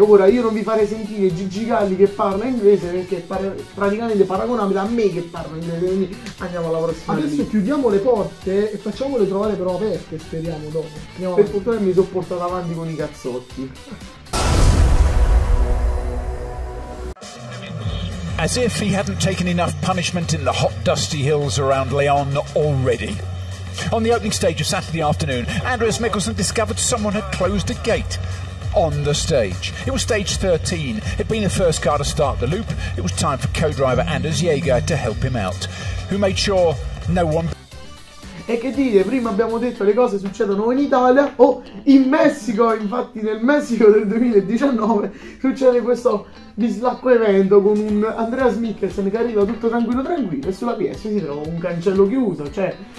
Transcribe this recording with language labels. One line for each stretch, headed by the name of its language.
Italian: Ora io non vi farei sentire Gigi Galli che parla inglese, perché praticamente paragonabile a me che parla inglese. Quindi andiamo alla prossima. Adesso lì chiudiamo le porte e facciamole trovare però aperte, speriamo, dopo. Andiamo per fortuna mi sono portato avanti con i cazzotti.
English: As if he hadn't taken enough punishment in the hot dusty hills around Lyon already. On the opening stage of Saturday afternoon, Andreas Mikkelsen discovered someone had closed a gate on the stage. It was stage 13. It'd been the first car to start the loop. It was time for co-driver Anders Jaeger to help him out, who made sure no one...
Italian: E che dire, prima abbiamo detto le cose succedono in Italia o in Messico. Infatti nel Messico del 2019 succede questo bislacco evento con un Andreas Mikkelsen che arriva tutto tranquillo e sulla PS si trova un cancello chiuso, cioè